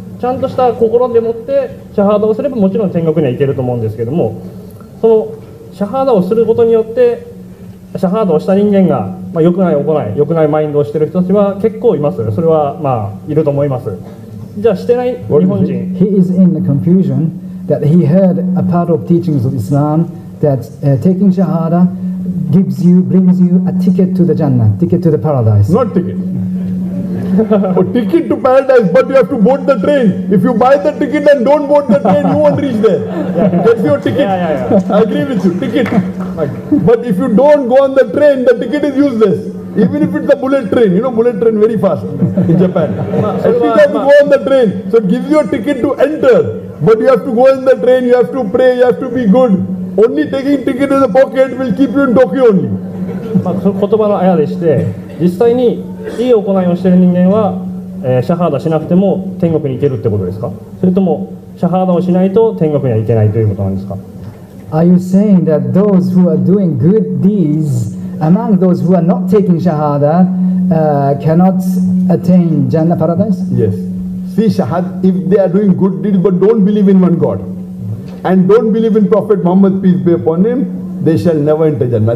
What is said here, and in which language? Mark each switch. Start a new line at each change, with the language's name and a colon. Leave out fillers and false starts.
Japanese: ちゃんとした心でもってシャハダをすれば、もちろん天国には行けると思うんですけども、そのシャハダをすることによって、シャハダをした人間が、まあ、良くない行い、良くないマインドをしている人たちは結構います。それはまあ、いると思います。じゃあ、してない日本人。
English: He is in the confusion. That he heard a part of teachings of Islam that taking Shahada gives you, brings you a ticket to the Jannah, ticket to the paradise. Not ticket. A ticket to paradise, but you have to board the train. If you buy the ticket and don't board the train, you won't reach there. That's your ticket. Yeah. I agree with you, ticket. But if you don't go on the train, the ticket is useless. Even if it's a bullet train, you know bullet train very fast in Japan. If you have to go on the train, so it gives you a ticket to enter. But you have to go in the train, you have to pray, you have to be good. Only taking ticket in the pocket will keep you in Tokyo only.
Japanese: まあ、言葉のあやでして、実際にいい行いをしている人間は、シャハダしなくても天国に行けるってことですか？それともシャハダをしないと天国には行けないということなんですか？
English: Are you saying that those who are doing good deeds among those who are not taking Shahada cannot attain Jannah Paradise? Yes. See, Shahad, if they are doing good deeds but don't believe in one God and don't believe in Prophet Muhammad, peace be upon him, they shall never enter Jannah.